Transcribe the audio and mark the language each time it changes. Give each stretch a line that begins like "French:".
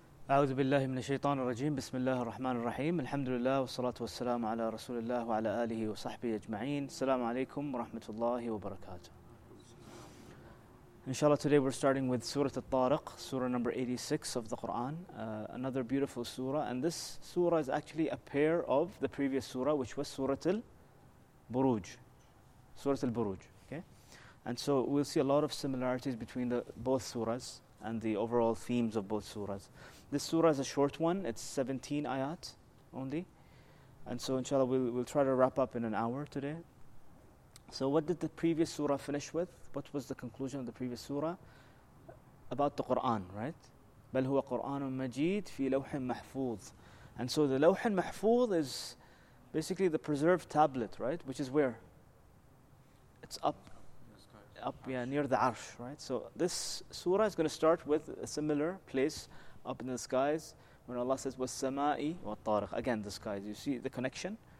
Arabic: أعوذ بالله من الشيطان الرجيم. بسم الله الرحمن الرحيم. الحمد لله والصلاة والسلام على رسول الله وعلى آله وصحبه أجمعين. السلام عليكم ورحمة الله وبركاته.
English: Inshallah, today we're starting with Surah At-Tariq, Surah number 86 of the Quran. Another beautiful surah, and this surah is actually a pair of the previous surah, which was Surah Al-Buruj. Surah Al-Buruj. Okay, and so we'll see a lot of similarities between both surahs and the overall themes of both surahs. This surah is a short one; it's 17 ayat only, and so inshallah we'll try to wrap up in an hour today. So, what did the previous surah finish with? What was the conclusion of the previous surah? About the Quran, right?
Arabic: بل هو قرآن مجيد في لوح محفوظ.
English: And so, the لوح محفوظ is basically the preserved tablet, right? Which is where? It's up, near the Arsh, right? So, this surah is going to start with a similar place up in the skies when Allah says,
Arabic: وَالسَّمَاءِ وَالطَّارِقِ.
English: Again, the skies. You see the connection?